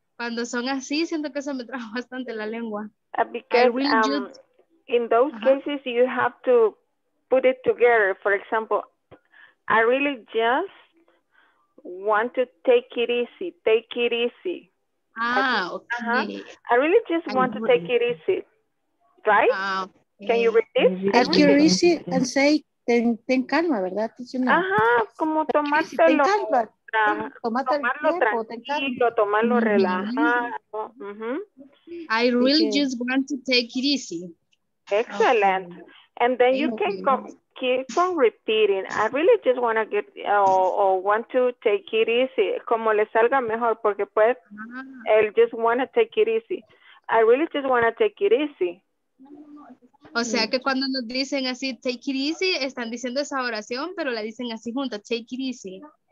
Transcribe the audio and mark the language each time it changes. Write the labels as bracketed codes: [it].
[es] Cuando son así, siento que eso me trajo bastante la lengua. [en] Because really just... in those cases, you have to put it together. For example, I really just want to take it easy. Take it easy. Okay. I really just want to take it easy. Right? Okay. Can you read this? Take it easy and say, [es] ten calma, ¿verdad? Ajá, como tomártelo. Tomártelo tranquilo, tomarlo relajado. [en] I really just want to take it easy. Excellent. And then you can keep on repeating. I really just want to get want to take it easy. [es] Como le salga mejor, porque pues, él [en] just want to take it easy. I really just want to take it easy. [es] O sea que cuando nos dicen así, [en] take it easy, [es] están diciendo esa oración, pero la dicen así junto, take it easy.